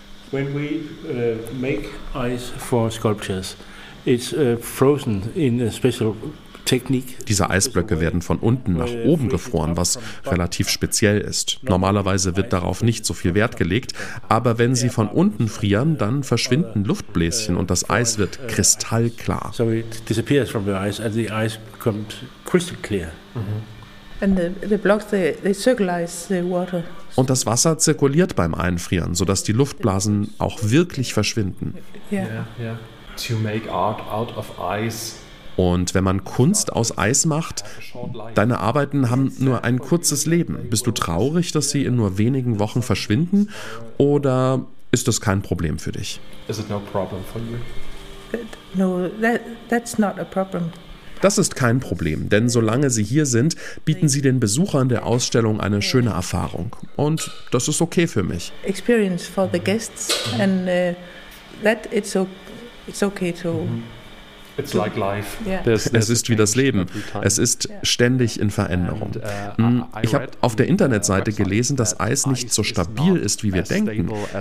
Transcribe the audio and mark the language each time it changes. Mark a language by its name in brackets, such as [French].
[English] When we make ice for sculptures, it's frozen in a special technique. [German] Diese Eisblöcke werden von unten nach oben gefroren, was relativ speziell ist. Normalerweise wird darauf nicht so viel Wert gelegt, aber wenn sie von unten frieren, dann verschwinden Luftbläschen und das Eis wird kristallklar. [English] So it disappears from the ice and the ice becomes crystal clear. And the blocks, they circulate the water. [German] Und das Wasser zirkuliert beim Einfrieren, sodass die Luftblasen auch wirklich verschwinden. [English] Yeah. To make art out of ice. [German] Und wenn man Kunst aus Eis macht, deine Arbeiten haben nur ein kurzes Leben. Bist du traurig, dass sie in nur wenigen Wochen verschwinden? Oder ist das kein Problem für dich? [English] Is it no problem for you? No, that's not a problem. [German] Das ist kein Problem, denn solange sie hier sind, bieten sie den Besuchern der Ausstellung eine schöne Erfahrung. Und das ist okay für mich. [English] Experience for the guests and that it's okay to. It's like life. [German] Es ist wie das Leben. Es ist ständig in Veränderung. Ich habe auf der Internetseite gelesen, dass Eis nicht so stabil ist, wie wir denken.